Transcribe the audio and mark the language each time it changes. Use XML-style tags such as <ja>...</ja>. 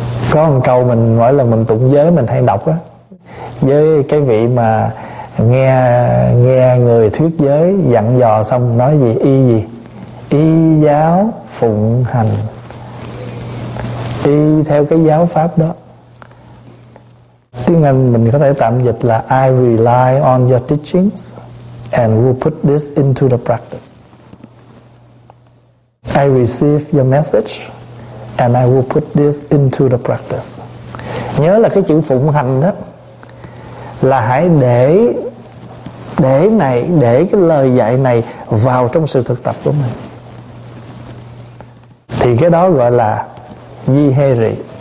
<vi>Có một câu mình mỗi lần mình tụng giới mình hay đọc á, với cái vị mà nghe người thuyết giới dặn dò xong nói gì, y gì, y giáo phụng hành, y theo cái giáo pháp đó. Tiếng Anh mình có thể tạm dịch là</vi> <en>I rely on your teachings and will put this into the practice. I receive your message and I will put this into the practice.</en> <vi>Nhớ là cái chữ phụng hành đó, là hãy để này, để cái lời dạy này vào trong sự thực tập của mình. Thì cái đó gọi là Yiheri.</vi>